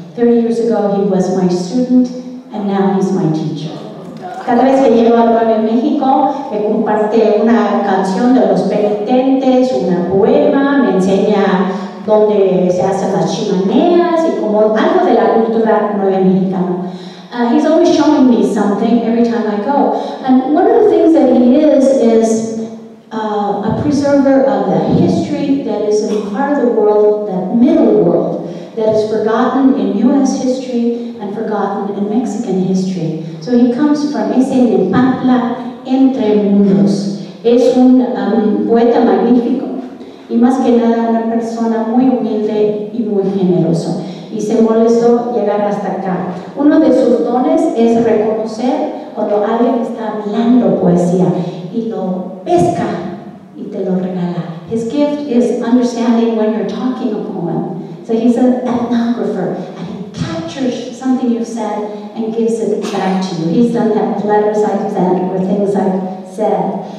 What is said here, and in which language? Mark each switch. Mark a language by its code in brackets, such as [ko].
[en] 30 years ago he was my student and now he's my teacher. [es] Cada vez que llego a Nuevo México, me comparte una canción de los penitentes, una poema, me enseña dónde se hacen las chimeneas y como algo de la cultura nueva mexicana. [en] He's always showing me something every time I go. And one of the things that he is a preserver of the history that is in part of the world, that middle world, that is forgotten in U.S. history and forgotten in Mexican history. So he comes from [es] ese Nepantla entre mundos. Es un poeta magnífico y más que nada una persona muy humilde y muy generoso. Y se molestó llegar hasta acá. Uno de sus dones es reconocer cuando alguien está hablando poesía y lo pesca y te lo regala. [en] His gift is understanding when you're talking a poem. So he's an ethnographer and he captures something you've said and gives it back to you. He's done that with letters I've sent or things I've said.